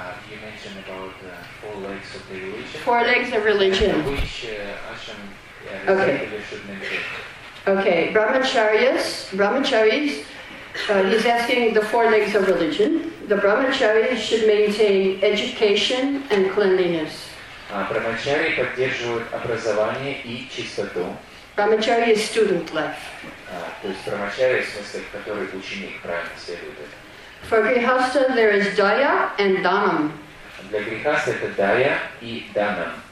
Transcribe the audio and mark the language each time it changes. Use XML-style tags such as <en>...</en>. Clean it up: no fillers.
<en>You mentioned about the four legs of the religion. Four legs of religion. Which ashram should mention? Okay, brahmacharyas, brahmacharis. He's asking the four legs of religion. The brahmacharis should maintain education and cleanliness.</en> <ru>Brahmachari поддерживают образование и чистоту.</ru> <en>Brahmachari is student life.</en> <ru>То есть Brahmachari, в смысле, который ученик правильно следует.</ru> <en>For Grihastha, there is Daya and Dhanam.</en> <ru>Для Grihastha это Daya и Dhanam.</ru>